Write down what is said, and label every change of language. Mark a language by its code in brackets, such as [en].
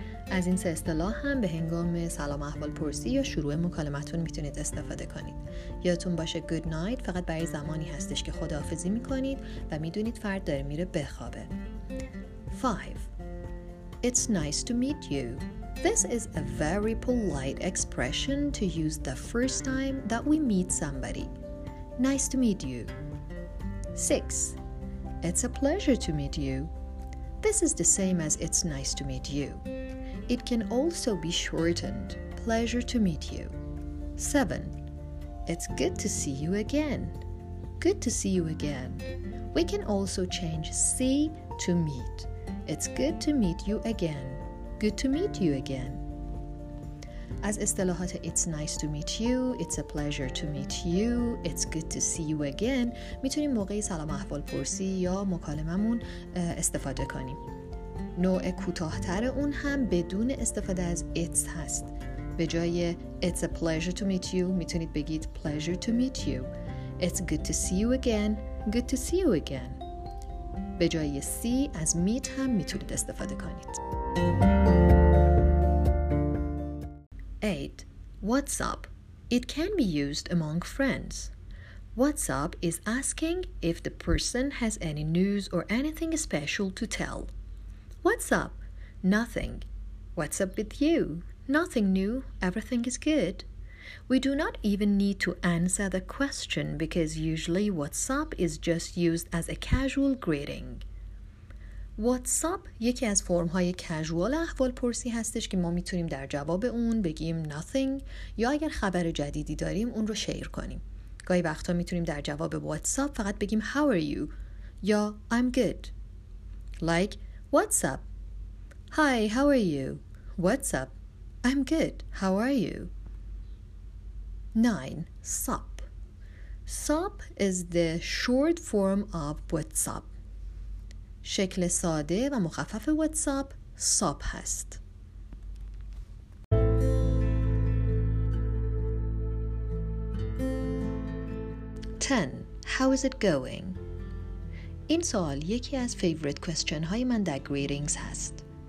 [fa] از این سه اصطلاح هم به هنگام سلام احوالپرسی یا شروع مکالمتون میتونید استفاده کنید. یادتون باشه [en] good night [fa] فقط برای زمانی هستش که خداحافظی میکنید و میدونید فرد داره میره بخوابه. [en] 5. It's nice to meet you. This is a very polite expression to use the first time that we meet somebody. Nice to meet you. 6. It's a pleasure to meet you. This is the same as it's nice to meet you. It can also be shortened, pleasure to meet you. 7. It's good to see you again. Good to see you again. We can also change see to meet. It's good to meet you again. Good to meet you again. As اصطلاحات it's nice to meet you, it's a pleasure to meet you, it's good to see you again [fa] میتونیم موقع سلام احوالپرسی یا مکالممون استفاده کنیم. نوع کوتاه‌تر اون هم بدون استفاده از it's هست. به جای [en] it's a pleasure to meet you [fa] میتونید بگید [en] pleasure to meet you. It's good to see you again, good to see you again. [fa] به جای see از meet هم میتونید استفاده کنید. [en] 8. What's up? It can be used among friends. What's up is asking if the person has any news or anything special to tell. What's up? Nothing. What's up with you? Nothing new. Everything is good. We do not even need to answer the question because usually what's up is just used as a casual greeting. What's up [fa] یکی از فرم‌های کژوال احوالپرسی هستش که ما میتونیم در جواب اون بگیم nothing یا اگر خبر جدیدی داریم اون رو شیر کنیم. گاهی وقتا میتونیم در جواب what's up فقط بگیم [en] how are you [fa] یا [en] I'm good. Like what's up? Hi, how are you? What's up? I'm good. How are you? 9. Sup. Sup is the short form of what's up. [fa] شکل ساده و مخفف واتساپ ساب هست. [en] Ten. How is it going? [fa] این سوال یکی از فیوریت کوئسچن های من در گریتینگز هست.